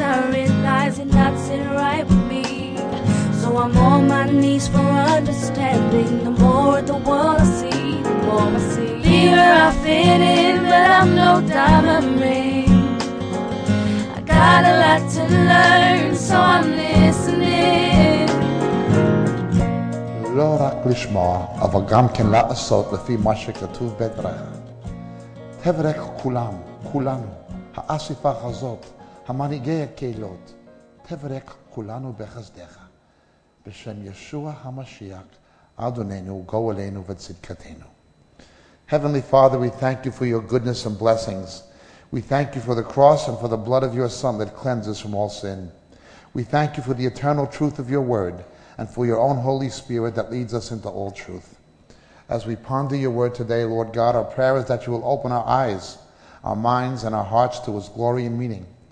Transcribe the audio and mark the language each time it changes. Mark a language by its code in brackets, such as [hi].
[en] I realize it not sitting right with me. So I'm on my knees for understanding. The more the world I see, the more I see. Leader, I fit in, but I'm no diamond ring. I got a lot to learn, so I'm listening. [he] לא רק לשמוע, אבל גם כן לעשות לפי מה שכתוב בדרך. תברך כולם, כולנו, האסיפה הזאת, המנהיגי הקהילות, תברך כולנו בחסדך. בשם ישוע המשיח, אדוננו, גואלנו וצדקתנו. [en] Heavenly Father, we thank you for your goodness and blessings. We thank you for the cross and for the blood of your Son that cleanses from all sin. We thank you for the eternal truth of your word and for your own Holy Spirit that leads us into all truth. As we ponder your word today, Lord God, our prayer is that you will open our eyes, our minds, and our hearts to its glory and meaning.